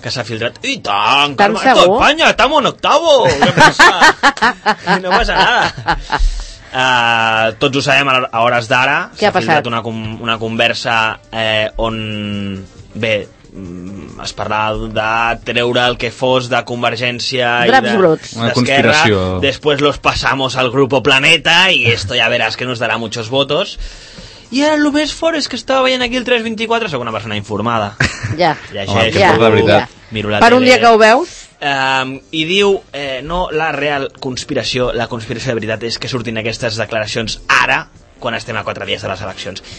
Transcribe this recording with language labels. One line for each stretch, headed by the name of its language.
Catalan: Que s'ha filtrat. I tant, Carme, tot Espanya,
Spanish: estamos en octavo!
Catalan: Què passa? No passa nada. Tots ho sabem a hores d'ara. Què ha passat? Una conversa on, bé, es parlava de treure el que fos de Convergència Draps i d'Esquerra,
Spanish: després los pasamos al Grupo Planeta i esto ya verás que nos dará muchos votos.
Catalan: I ara el més fort és que estava veient aquí el 324, soc una persona informada. Ja. Per un dia que ho veus. I diu, no, la real conspiració, la conspiració de veritat és que surtin aquestes declaracions ara, quan estem a 4 dies de les eleccions.